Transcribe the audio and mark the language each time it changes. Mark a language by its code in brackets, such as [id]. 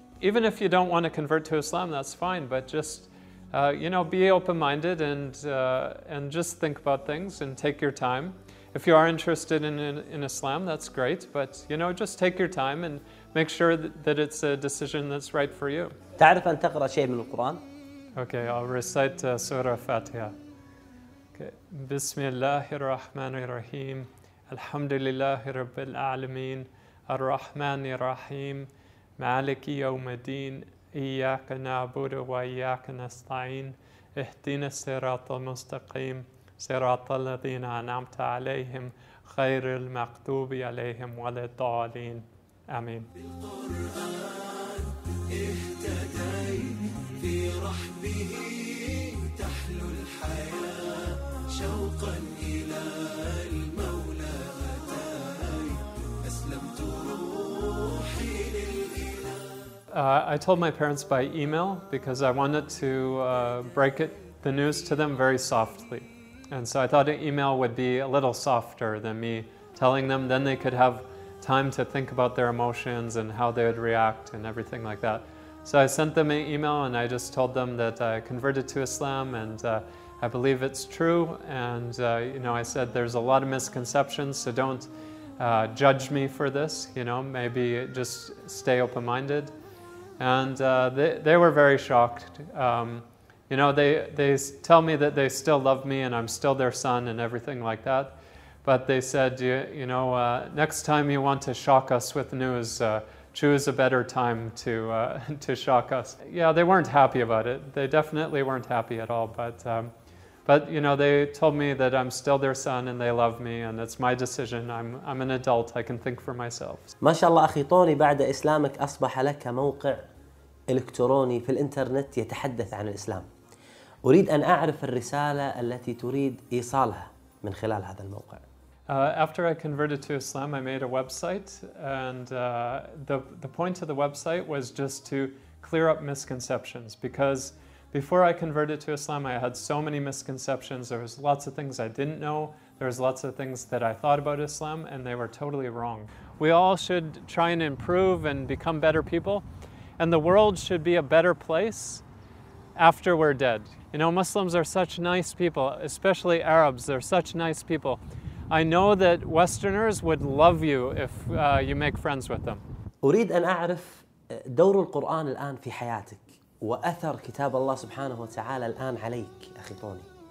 [en] Even if you don't want to convert to Islam, that's fine, but just, you know, be open-minded and just think about things and take your time. If you are interested in Islam, that's great, but, you know, just take your time and make sure that it's a decision that's right for you. [ar] تعرف أن تقرأ شيء من القرآن؟ [en] Okay, I'll recite Surah Fatiha. [ar] بسم الله الرحمن الرحيم الحمد لله رب العالمين الرحمن الرحيم مالك يوم الدين إياك نعبد وإياك نستعين اهدنا الصراط المستقيم صراط الذين أنعمت عليهم خير المكتوب عليهم ولا الضالين آمين. بالقرآن اهتدي في رحبه تحلو الحياة شوقا إلى المولى أتاي أسلمت روحي للإله. [en] I told my parents by email because I wanted to break the news to them very softly. And so I thought an email would be a little softer than me telling them. Then they could have time to think about their emotions and how they would react and everything like that. So I sent them an email and I just told them that I converted to Islam and I believe it's true. And you know, I said there's a lot of misconceptions, so don't judge me for this. You know, maybe just stay open-minded. And they were very shocked. You know, they tell me that they still love me and I'm still their son and everything like that. But they said, next time you want to shock us with news, choose a better time to shock us. Yeah, they weren't happy about it. They definitely weren't happy at all. But you know, they told me that I'm still their son and they love me and it's my decision. I'm an adult. I can think for myself. [ar] ما شاء الله أخي طوني بعد إسلامك أصبح لك موقع إلكتروني في الإنترنت يتحدث عن الإسلام. أريد أن أعرف الرسالة التي تريد إيصالها من خلال هذا الموقع. [en] After I converted to Islam, I made a website, and the point of the website was just to clear up misconceptions, because before I converted to Islam, I had so many misconceptions. There was lots of things I didn't know. There was lots of things that I thought about Islam, and they were totally wrong. We all should try and improve and become better people, and the world should be a better place after we're dead. You know, Muslims are such nice people, especially Arabs, they're such nice people. I know that Westerners would love you if you make friends with them. [ar] أريد أن أعرف دور القرآن الآن في حياتك وأثر كتاب الله سبحانه وتعالى الآن عليك أخي طوني.